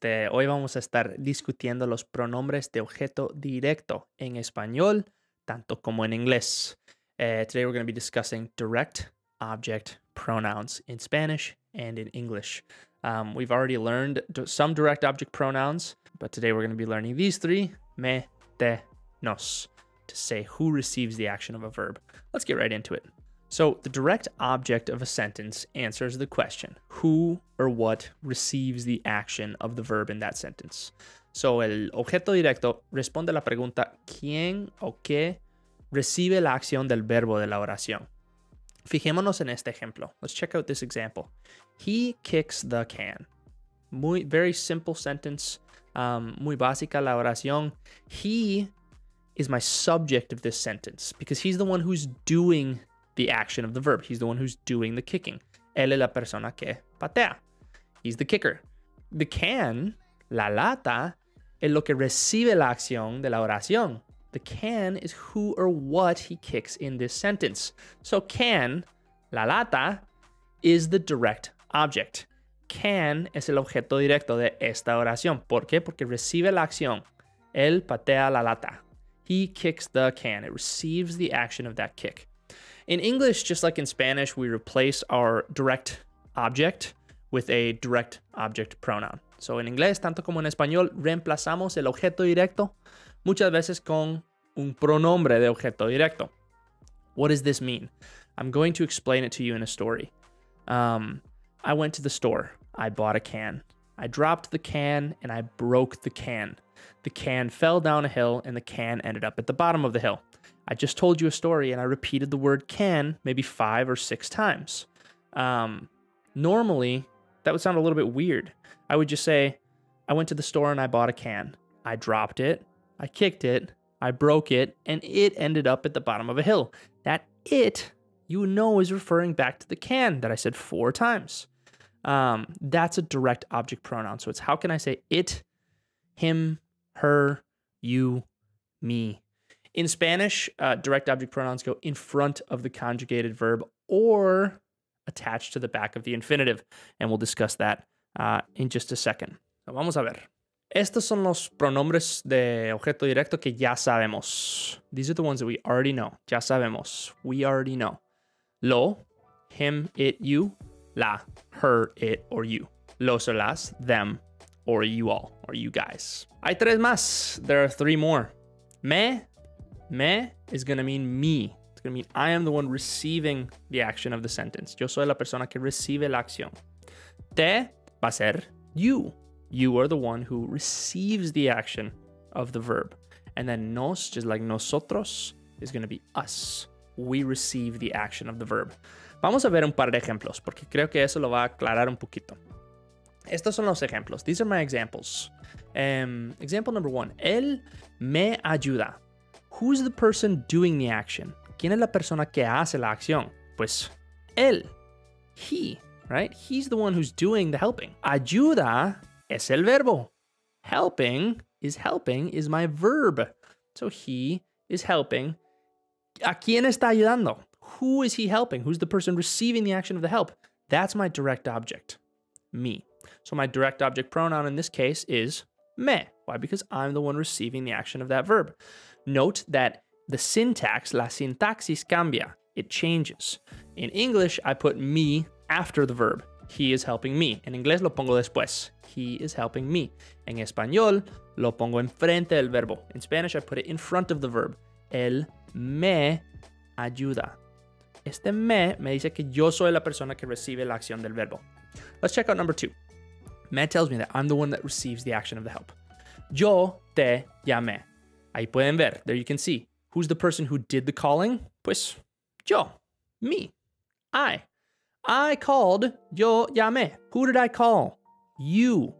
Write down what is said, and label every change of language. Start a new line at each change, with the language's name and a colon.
Spanish: Hoy vamos a estar discutiendo los pronombres de objeto directo en español, tanto como en inglés.
English: Today we're going to be discussing direct object pronouns in Spanish and in English. We've already learned some direct object pronouns, but today we're going to be learning these three, me, te, nos, to say who receives the action of a verb. Let's get right into it. So the direct object of a sentence answers the question, who or what receives the action of the verb in that sentence.
Spanish: So el objeto directo responde a la pregunta, ¿quién o qué recibe la acción del verbo de la oración? Fijémonos en este ejemplo.
English: Let's check out this example. He kicks the can.
Spanish: Muy,
English: very simple sentence.
Spanish: Muy básica la oración.
English: He is my subject of this sentence because he's the one who's doing the action of the verb. He's the one who's doing the kicking.
Spanish: Él es la persona que patea.
English: He's the kicker. The can,
Spanish: la lata, es lo que recibe la acción de la oración.
English: The can is who or what he kicks in this sentence. So can,
Spanish: la lata,
English: is the direct object.
Spanish: Can es el objeto directo de esta oración. ¿Por qué? Porque recibe la acción. Él patea la lata.
English: He kicks the can. It receives the action of that kick. In English, just like in Spanish, we replace our direct object with a direct object pronoun. So in English,
Spanish: tanto como en español, reemplazamos el objeto directo muchas veces con un pronombre de objeto directo.
English: What does this mean? I'm going to explain it to you in a story. I went to the store. I bought a can. I dropped the can and I broke the can. The can fell down a hill and the can ended up at the bottom of the hill. I just told you a story and I repeated the word can maybe 5 or 6 times. Normally, that would sound a little bit weird. I would just say, I went to the store and I bought a can. I dropped it, I kicked it, I broke it, and it ended up at the bottom of a hill. That it, you know, is referring back to the can that I said 4 times. That's a direct object pronoun. So it's how can I say it, him, her, you, me. In Spanish, direct object pronouns go in front of the conjugated verb or attached to the back of the infinitive. And we'll discuss that in just a second.
Spanish: Vamos a ver. Estos son los pronombres de objeto directo que ya sabemos.
English: These are the ones that we already know.
Spanish: Ya sabemos.
English: We already know. Lo, him, it, you. La, her, it, or you. Los o las, them, or you all, or you guys.
Spanish: Hay tres más.
English: There are 3 more. Me. Me is going to mean me. It's going to mean I am the one receiving the action of the sentence.
Spanish: Yo soy la persona que recibe la acción. Te va a ser you.
English: You are the one who receives the action of the verb. And then nos, just like nosotros, is going to be us. We receive the action of the verb.
Spanish: Vamos a ver un par de ejemplos, porque creo que eso lo va a aclarar un poquito. Estos son los ejemplos.
English: These are my examples. Example number 1.
Spanish: Él me ayuda.
English: Who's the person doing the action?
Spanish: ¿Quién es la persona que hace la acción? Pues, él.
English: He, right? He's the one who's doing the helping.
Spanish: Ayuda es el verbo.
English: Helping is my verb. So he is helping.
Spanish: ¿A quién está ayudando?
English: Who is he helping? Who's the person receiving the action of the help? That's my direct object, me. So my direct object pronoun in this case is me. Why? Because I'm the one receiving the action of that verb. Note that the syntax,
Spanish: la sintaxis cambia.
English: It changes. In English, I put me after the verb. He is helping me.
Spanish: En inglés lo pongo después.
English: He is helping me.
Spanish: En español, lo pongo enfrente del verbo.
English: In Spanish, I put it in front of the verb.
Spanish: Él me ayuda. Este me dice que yo soy la persona que recibe la acción del verbo.
English: Let's check out number 2. Me tells me that I'm the one that receives the action of the help.
Spanish: Yo te llamé. Ahí pueden ver.
English: There you can see. Who's the person who did the calling?
Spanish: Pues, yo.
English: Me. I called.
Spanish: Yo llamé.
English: Who did I call? You.